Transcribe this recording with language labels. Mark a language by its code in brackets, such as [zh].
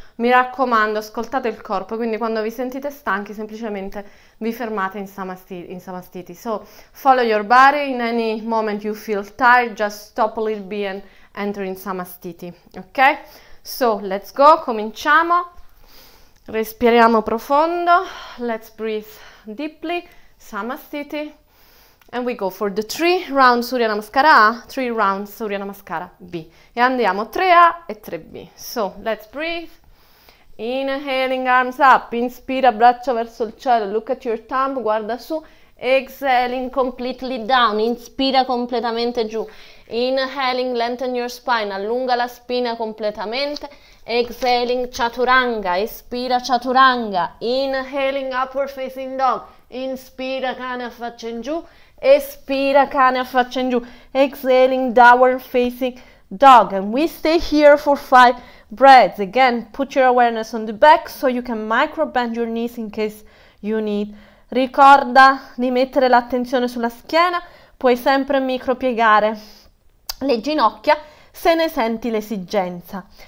[it] Mi raccomando, ascoltate il corpo, quindi quando vi sentite stanchi, semplicemente vi fermate in samastiti. [en] So, follow your body, in any moment you feel tired, just stop a little bit and enter in samastiti, ok? So, let's go, [it] cominciamo. Respiriamo profondo, [en] let's breathe deeply, samastiti, and we go for the 3 round Surya Namaskara A, 3 round Surya Namaskara B. [it] E andiamo 3A e 3B. [en] So, let's breathe, inhaling arms up, [it] inspira braccio verso il cielo, [en] look at your thumb, [it] guarda su, [en] exhaling completely down, [it] inspira completamente giù, [en] inhaling lengthen your spine, [it] allunga la spina completamente. Exhaling, chaturanga, espira, chaturanga. [en] Inhaling, upward facing dog. [it] Inspira, cane a faccia in giù. Espira, cane a faccia in giù. [en] Exhaling, downward facing dog. And we stay here for 5 Breathe again. Put your awareness on the back so you can micro bend your knees in case you need. [it] Ricorda di mettere l'attenzione sulla schiena, puoi sempre micro piegare le ginocchia se ne senti l'esigenza.